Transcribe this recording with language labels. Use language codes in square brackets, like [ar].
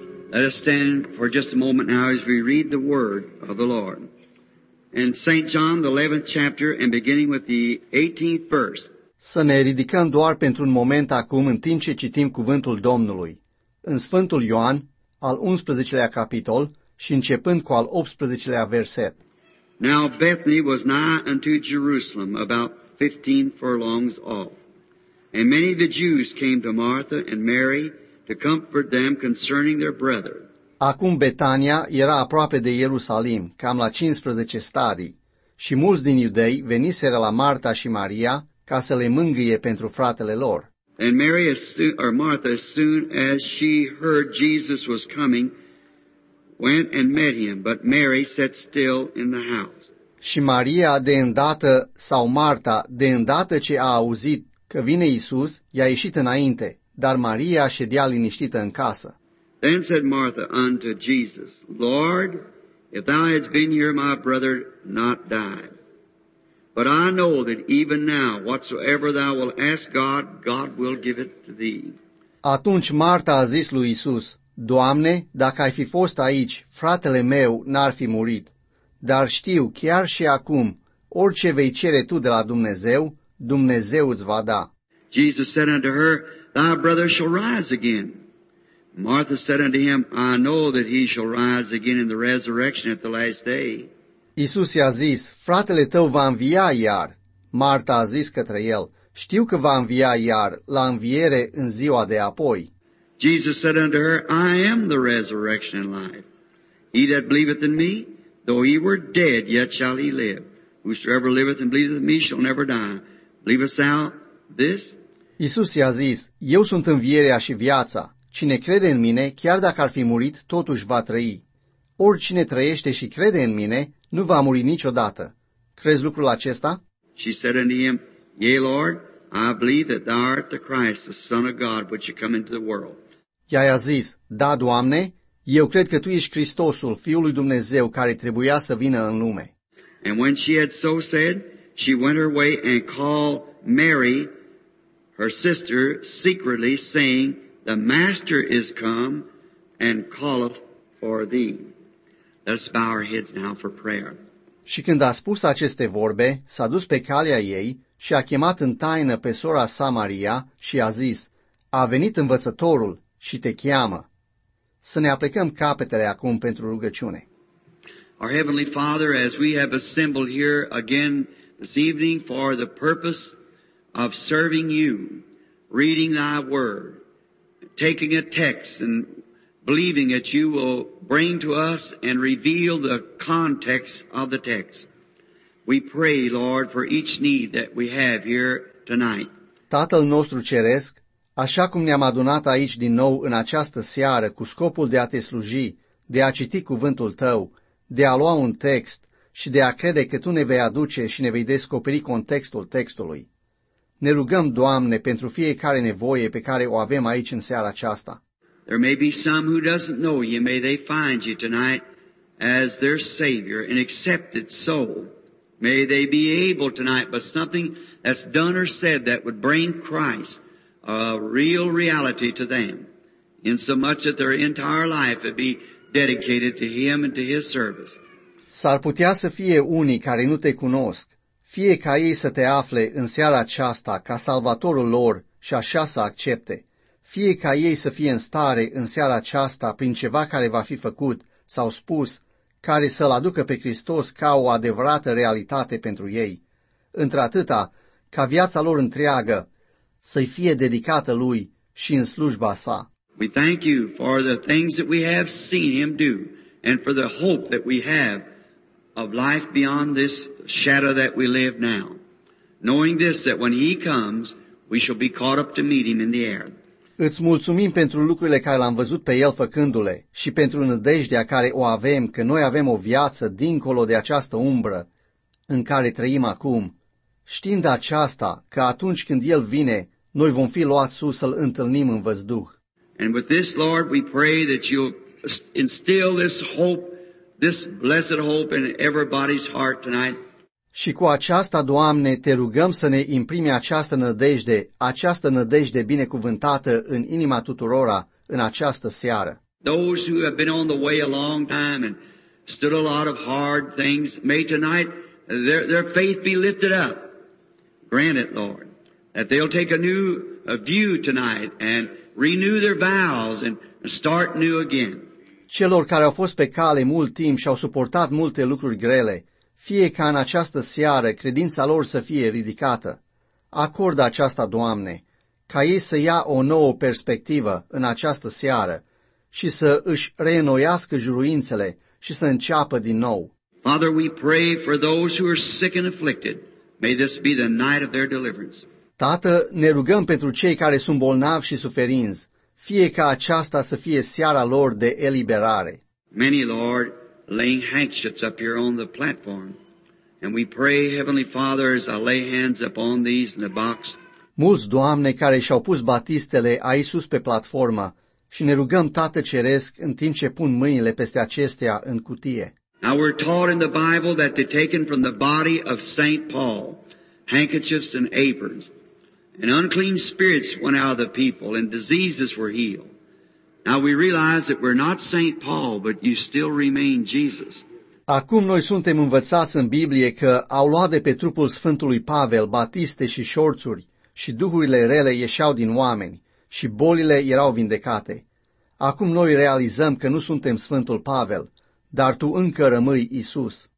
[en] Let us stand for just a moment now as we read the word of the Lord. In St. John, the 11th chapter, and beginning with the 18th verse. [ro] Să ne ridicăm doar pentru un moment acum în timp ce citim cuvântul Domnului. În Sfântul Ioan, al 11-lea capitol și începând cu al 18-lea verset. [en] Now Bethany was nigh unto Jerusalem, about 15 furlongs off. And many of the Jews came to Martha and Mary to comfort them concerning their brother. [ro] Acum Betania era aproape de Ierusalim, cam la 15 stadii, și mulți din iudei veniseră la Marta și Maria ca să le mângâie pentru fratele lor. [en] And Mary, as soon as she heard Jesus was coming, went and met him, but Mary sat still in the house. [ro] Și Maria, de îndată, sau Marta, de îndată ce a auzit că vine Iisus, i-a ieșit înainte, dar Maria ședea liniștită în casă. [en] Then said Martha unto Jesus, Lord, if thou hadst been here, my brother not died. But I know that even now, whatsoever thou wilt ask God, God will give it to thee. [ro] Atunci Marta a zis lui Iisus, Doamne, dacă ai fi fost aici, fratele meu n-ar fi murit. Dar știu, chiar și acum, orice vei cere tu de la Dumnezeu, Dumnezeu îți va da. [en] Jesus said unto her, thy brother shall rise again. Martha said unto him, I know that he shall rise again in the resurrection at the last day. [ro] Iisus i-a zis, fratele tău va învia iar. Marta a zis către el, știu că va învia iar, la înviere în ziua de apoi. [en] Jesus said unto her, I am the resurrection and life. He that believeth in me, though he were dead, yet shall he live. Whosoever liveth and believeth in me shall never die. Believest thou this? [ro] Iisus i-a zis, eu sunt învierea și viața. Cine crede în mine, chiar dacă ar fi murit, totuși va trăi. Oricine trăiește și crede în mine, nu va muri niciodată. Crezi lucrul acesta? [en] She said unto him, Yea, Lord, I believe that thou art the Christ, the Son of God, which is come into the world. [ro] Ea i-a zis, da, Doamne, eu cred că tu ești Hristosul, Fiul lui Dumnezeu, care trebuia să vină în lume. [en] And when she had so said, she went her way and called Mary, her sister, secretly, saying, The Master is come and calleth for thee. Let's bow our heads now for prayer. [ro] Și când a spus aceste vorbe, s-a dus pe calea ei și a chemat în taină pe sora sa Maria și a zis, A venit învățătorul și te cheamă. Să ne aplecăm capetele acum pentru rugăciune. [en] Our Heavenly Father, as we have assembled here again this evening for the purpose of serving you, reading thy word, taking a text and believing that you will bring to us and reveal the context of the text. We pray, Lord, for each need that we have here tonight. [ro] Tatăl nostru ceresc, așa cum ne-am adunat aici din nou în această seară cu scopul de a te sluji, de a citi cuvântul tău, de a lua un text și de a crede că tu ne vei aduce și ne vei descoperi contextul textului. Ne rugăm, Doamne, pentru fiecare nevoie pe care o avem aici în seara aceasta. [en] There may be some who doesn't know you, may they find you tonight as their Savior and accepted soul. May they be able tonight, but something that's done or said that would bring Christ a real reality to them, in so much that their entire life would be dedicated to Him and to His service. [ro] S-ar putea să fie unii care nu te cunosc. Fie ca ei să te afle în seara aceasta ca salvatorul lor și așa să accepte, fie ca ei să fie în stare în seara aceasta prin ceva care va fi făcut sau spus, care să-L aducă pe Hristos ca o adevărată realitate pentru ei, într-atâta ca viața lor întreagă să-i fie dedicată Lui și în slujba Sa. [en] We thank you for the things that we have seen him do and for the hope that we have of life beyond this shadow that we live now, knowing this, that when he comes, we shall be caught up to meet him in the air. [ro] Îți mulțumim pentru lucrurile care l-am văzut pe el făcându-le și pentru nădejdea care o avem că noi avem o viață dincolo de această umbră în care trăim acum, știind aceasta că atunci când el vine, noi vom fi luați sus să-l întâlnim în văzduh. [en] And with this, Lord, we pray that you'll instill this hope, this blessed hope in everybody's heart tonight. [ro] Și cu aceasta, Doamne, te rugăm să ne imprimi această nădejde, această nădejde binecuvântată în inima tuturora în această seară. [en] Those who have been on the way a long time and stood a lot of hard things, may tonight their faith be lifted up. Grant it, Lord, that they'll take a new view tonight and renew their vows and start new again. [ro] Celor care au fost pe cale mult timp și au suportat multe lucruri grele, fie ca în această seară credința lor să fie ridicată. Acordă aceasta, Doamne, ca ei să ia o nouă perspectivă în această seară și să își reînnoiască juruințele și să înceapă din nou. [en] Father, we pray for those who are sick and afflicted. May this be the night of their deliverance. [ro] Tată, ne rugăm pentru cei care sunt bolnavi și suferinți, fie ca aceasta să fie seara lor de eliberare. [en] Many, Lord, laying hatchets up here on the platform. And we pray, Heavenly Father, as I lay hands upon these in the box. [ro] Mulți, Doamne, care și-au pus batistele aici sus pe platformă și ne rugăm, Tată Ceresc, în timp ce pun mâinile peste acestea în cutie. [en] Now we're taught in the Bible that they're taken from the body of St. Paul, handkerchiefs and aprons. And unclean spirits went out of the people and diseases were healed. Now we realize that we're not St. Paul, but you still remain Jesus. [ro] Acum noi suntem învățați în Biblie că au luat de pe trupul Sfântului Pavel batiste și șorțuri și duhurile rele ieșeau din oameni și bolile erau vindecate. Acum noi realizăm că nu suntem Sfântul Pavel, dar tu încă rămâi Iisus.